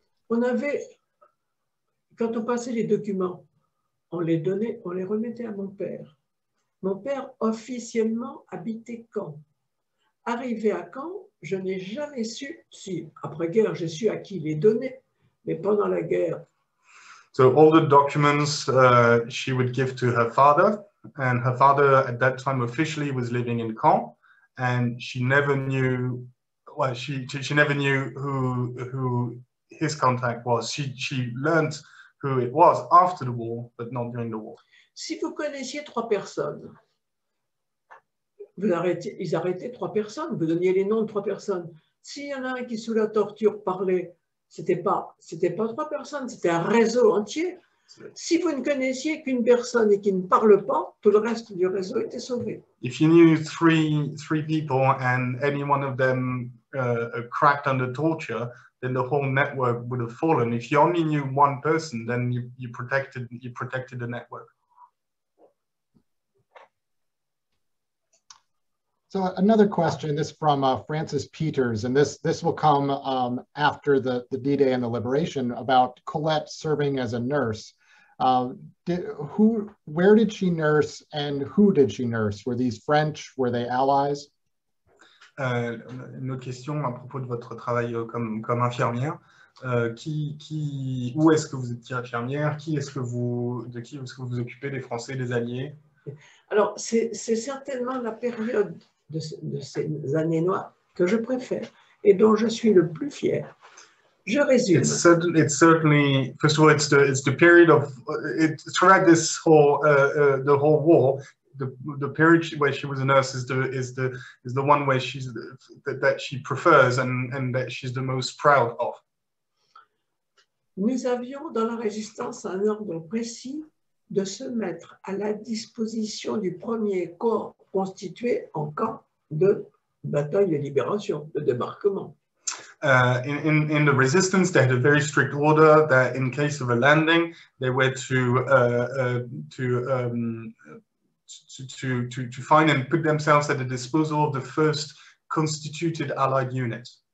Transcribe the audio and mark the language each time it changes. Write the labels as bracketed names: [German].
[French] On avait, quand on passait les documents, on les donnait, on les remettait à mon père. Mon père officiellement habitait Caen. Arrivé à Caen, je n'ai jamais su, si après-guerre j'ai su à qui les donner. Mais pendant la guerre. [English] So all the documents she would give to her father, and her father at that time officially was living in Caen, and she never knew who his contact was. She learned who it was after the war, but not during the war. [French] Si vous connaissiez 3 personnes, ils arrêtaient 3 personnes, vous donniez les noms de 3 personnes. S'il y en a un qui sous la torture parlait. C'était pas 3 personnes, c'était un réseau entier. Si vous ne connaissiez qu'une personne et qui ne parle pas, tout le reste du réseau était sauvé. [English] If you knew three people and any one of them cracked under torture, then the whole network would have fallen. If you only knew one person, then you protected the network. So another question, this from Francis Peters, and this will come after the D-Day and the liberation, about Colette serving as a nurse. Where did she nurse and who did she nurse? Were these French? Were they allies? [French] Une autre question à propos de votre travail comme infirmière. Où est-ce que vous étiez infirmière? De qui est-ce que vous occupez, des Français, des Alliés? Alors, c'est certainement la période de ces années noires que je préfère et dont je suis le plus fier. Je résume. [English] It's certainly, first of all, it's the period of throughout this whole the whole war, the period where she was a nurse is the one where she's that she prefers and that she's the most proud of. [French] Nous avions dans la résistance un ordre précis de se mettre à la disposition du premier corps constitué en camp de bataille de libération, de débarquement. [English] In the resistance, they had a very strict order that in case of a landing, they were to find and put themselves at the disposal of the first constituted allied unit.